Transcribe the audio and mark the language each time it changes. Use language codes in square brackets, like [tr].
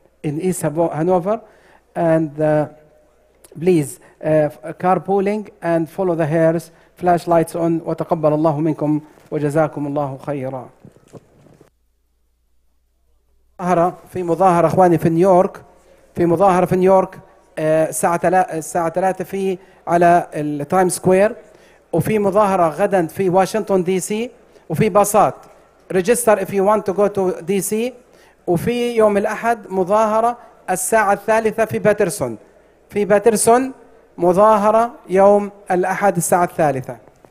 [en] In East Hanover, and please carpooling and follow the hairs, flashlights on. [ar] وتقبل الله منكم وجزاكم الله خيرا. مظاهرة في مظاهرة إخواني في نيويورك, في مظاهرة في نيويورك الساعة 3 في على التايم سكوير, وفي مظاهرة غدا في واشنطن دي سي, وفي باصات [en] register if you want to go to DC. [ar] وفي يوم الأحد مظاهرة الساعة الثالثة في باترسون. في باترسون مظاهرة يوم الأحد الساعة الثالثة.